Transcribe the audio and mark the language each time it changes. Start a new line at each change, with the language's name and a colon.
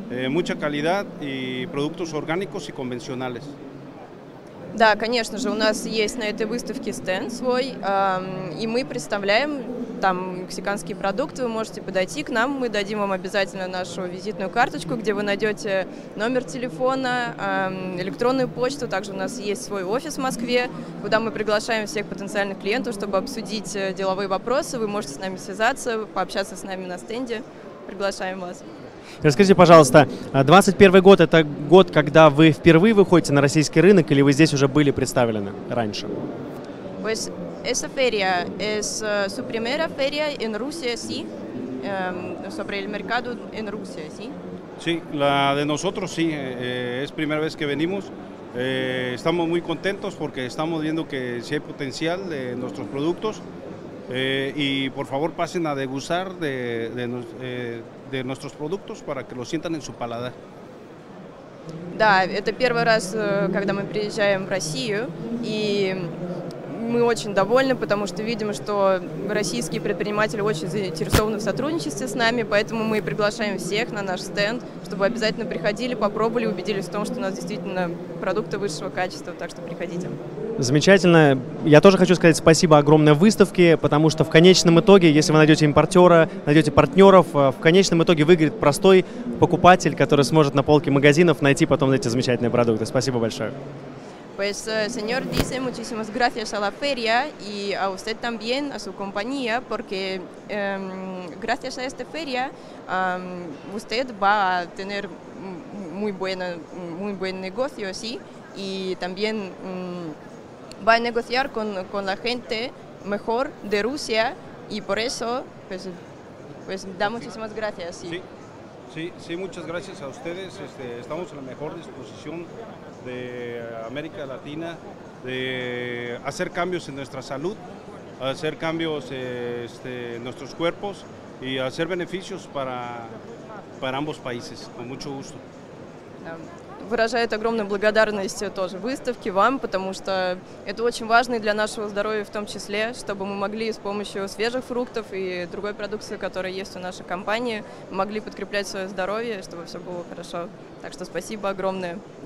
Spanish: Mucha calidad y productos orgánicos y convencionales.
Russian: Да, конечно же, у нас есть на этой выставке стенд свой, и мы представляем там мексиканские продукты. Вы можете подойти к нам, мы дадим вам обязательно нашу визитную карточку, где вы найдете номер телефона, электронную почту. Также у нас есть свой офис в Москве, куда мы приглашаем всех потенциальных клиентов, чтобы обсудить деловые вопросы. Вы можете с нами связаться, пообщаться с нами на стенде. Приглашаем вас. Расскажите, пожалуйста, 21-й год – это год, когда вы впервые выходите на российский рынок или вы здесь уже были представлены раньше?
Spanish: Pues esa feria es su primera feria en Rusia, sí, sobre el mercado en Rusia, sí. Sí, la de nosotros, sí, es primera vez que venimos. Estamos muy contentos porque estamos viendo que sí hay potencial de nuestros productos. Y por favor pasen a degustar de nuestros productos para que lo sientan en su paladar.
Russian: Да, это первый раз, когда мы приезжаем в Россию, и мы очень довольны, потому что видим, что российские предприниматели очень заинтересованы в сотрудничестве с нами, поэтому мы приглашаем всех на наш стенд, чтобы обязательно приходили, попробовали, убедились в том, что у нас действительно продукты высшего качества, так что приходите. Замечательно. Я тоже хочу сказать спасибо огромной выставке, потому что в конечном итоге, если вы найдете импортера, найдете партнеров, в конечном итоге выиграет простой покупатель, который сможет на полке магазинов найти потом эти замечательные продукты. Спасибо большое.
Spanish: Pues, señor, dice muchísimas gracias a la feria y a usted también, a su compañía, porque gracias a esta feria usted va a tener muy buen negocio, sí, y también va a negociar con la gente mejor de Rusia, y por eso, pues da muchísimas gracias. Sí. Sí, muchas gracias a ustedes. Estamos en la mejor disposición de América Latina de hacer cambios en nuestra salud, hacer cambios en nuestros cuerpos y hacer beneficios para ambos países. Con mucho gusto.
Russian: Выражает огромную благодарность тоже выставке вам, потому что это очень важно и для нашего здоровья в том числе, чтобы мы могли с помощью свежих фруктов и другой продукции, которая есть у нашей компании, могли подкреплять свое здоровье, чтобы все было хорошо. Так что спасибо огромное.